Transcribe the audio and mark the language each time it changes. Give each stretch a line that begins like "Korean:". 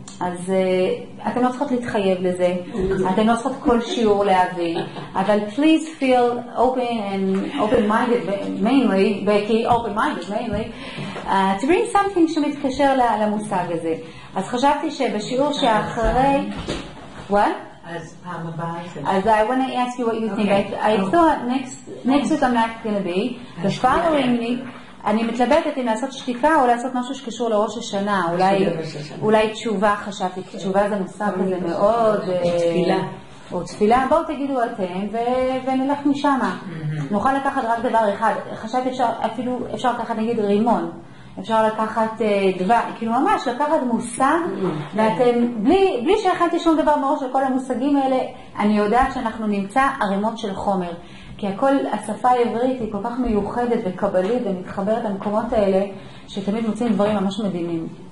Hebrew: אז אתם לא צריכות להתחייב לזה, אתם לא צריכות כל שיעור להביא, אבל
English: please feel open and open-minded mainly, Becky, open-minded mainly, to bring something
Hebrew: שמתקשר למושג הזה. אז חשבתי שבשיעור שאחרי... What?
English: As I want to ask you what you think. I thought next week I'm not going to be. The following week,
Hebrew: אני מתלבטת אם לעשות שתיקה או לעשות משהו שקשור לראש השנה. אולי תשובה, חשבתי. תשובה זה מושג כזה מאוד. תפילה. או תפילה. בואו תגידו אתם ונלך משם. נוכל לקחת רק דבר אחד. חשבתי אפילו אפשר לקחת נגיד רימון. אפשר לקחת דבר, כאילו ממש לקחת מושג, ואתם, בלי שהכנתי שום דבר מראש על כל המושגים האלה, אני יודעת שאנחנו נמצא ערימות של חומר, כי הכל, השפה העברית היא כל כך מיוחדת וקבלית ומתחברת למקומות האלה, שתמיד מוצאים דברים ממש מדהימים.